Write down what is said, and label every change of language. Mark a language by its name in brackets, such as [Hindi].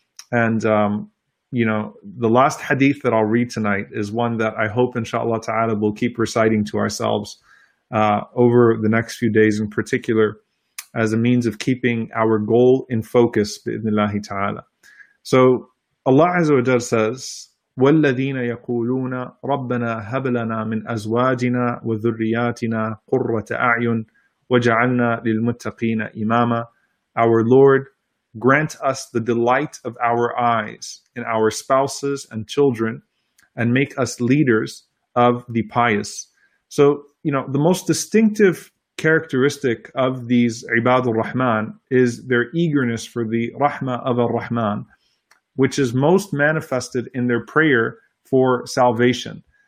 [English] And, the last hadith that I'll read tonight is one that I hope, inshallah ta'ala, we'll keep reciting to ourselves over the next few days in particular, as a means of keeping our goal in focus, bi'idhnillahi ta'ala. So Allah Azza wa Jalla says, [Arabic] وَالَّذِينَ يَقُولُونَ رَبَّنَا هَبْ لَنَا مِنْ أَزْوَاجِنَا وَذُرِّيَاتِنَا قُرَّةَ أَعْيُنٍ وَجَعَلْنَا لِلْمُتَّقِينَ إِمَامًا. [English] Our Lord, grant us the delight of our eyes in our spouses and children, and make us leaders of the pious. So, you know, the most distinctive characteristic of these ibad al-Rahman is their eagerness for the rahmah of al-Rahman, which is most manifested in their prayer for salvation.